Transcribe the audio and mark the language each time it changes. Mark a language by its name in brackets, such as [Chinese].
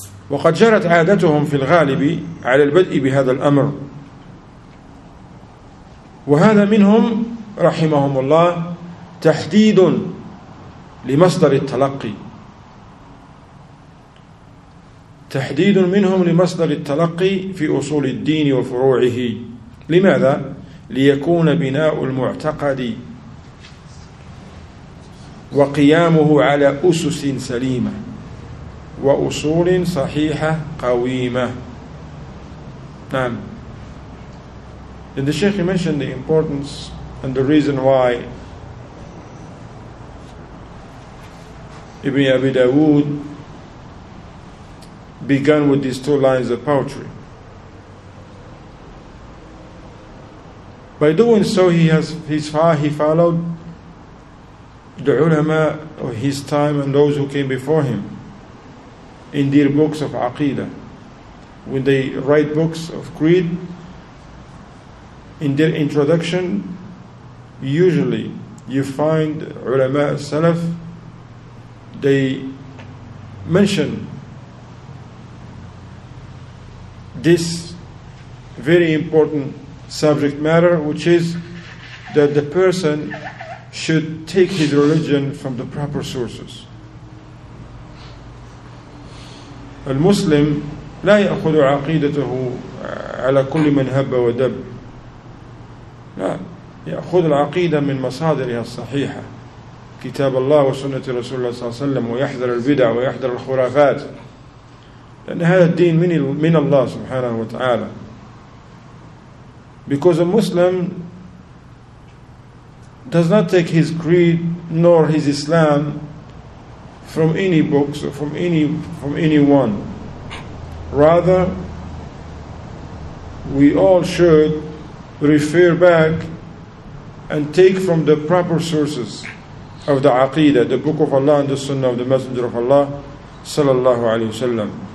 [Arabic] وقد جرت عادتهم في الغالب على البدء بهذا الأمر، وهذا منهم رحمهم الله تحديد لمصدر التلقي، تحديد منهم لمصدر التلقي في أصول الدين وفروعه. لماذا؟ ليكون بناء المعتقد وقيامه على أسس سليمة وأصول صحيحة قويمة. نعم. [English] And the Sheikh mentioned the importance and the reason why Ibn Abi Dawood began with these two lines of poetry. By doing so, he followed the ulama of his time and those who came before him in their books of aqidah. When they write books of creed, in their introduction, usually you find ulama salaf, they mention this very important subject matter, which is that the person should take his religion from the proper sources. [Arabic] المسلم لا يأخذ عقيدته على كل من هب ودب، لا، يأخذ العقيدة من مصادرها الصحيحة، كتاب الله وسنة رسول الله صلى الله عليه وسلم، ويحذر البدع ويحذر الخرافات، لأن هذا الدين من الله سبحانه وتعالى. [English] Because a Muslim does not take his creed nor his Islam from any books or from anyone. Rather, we all should refer back and take from the proper sources of the Aqidah, the Book of Allah and the Sunnah of the Messenger of Allah sallallahu alaihi wasallam.